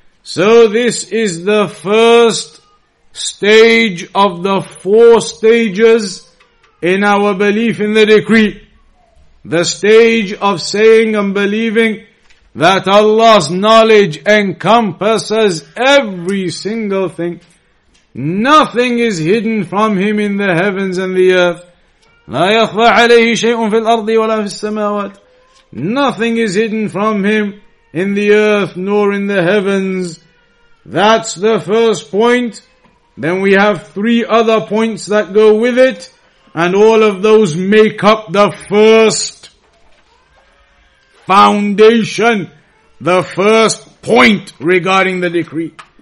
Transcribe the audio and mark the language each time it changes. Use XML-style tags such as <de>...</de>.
<en>So this is the first stage of the four stages in our belief in the decree. The stage of saying and believing that Allah's knowledge encompasses every single thing. Nothing is hidden from Him in the heavens and the earth.</en> <ar>لا يخفى عليه شيء في الأرض ولا في السماوات.</ar> <en>Nothing is hidden from Him in the earth nor in the heavens. That's the first point. Then we have three other points that go with it. And all of those make up the first foundation, the first point regarding the decree.</en>